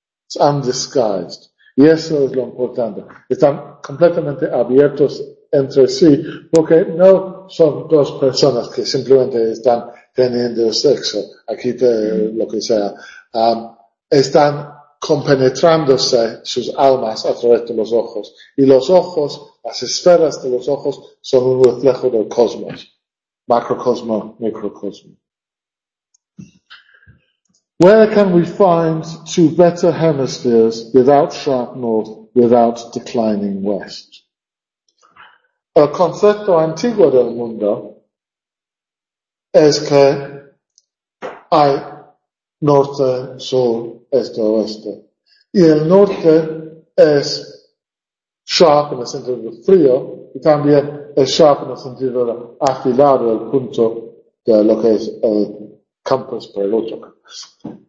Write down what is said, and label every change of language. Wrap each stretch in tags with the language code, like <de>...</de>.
<en>It's undisguised.</en> <es>Y eso es lo importante. Están completamente abiertos entre sí, porque no son dos personas que simplemente están teniendo sexo, aquí te, lo que sea. Están compenetrándose sus almas a través de los ojos. Y los ojos, las esferas de los ojos, son un reflejo del cosmos. Macrocosmo, microcosmo.</es> <en>Where can we find two better hemispheres without sharp north, without declining west?</en> <es>El concepto antiguo del mundo es que hay norte, sur, este, oeste. Y el norte es sharp en el sentido del frío, y también es sharp en el sentido de afilar el punto de lo que es el compass para el otro compass.</es>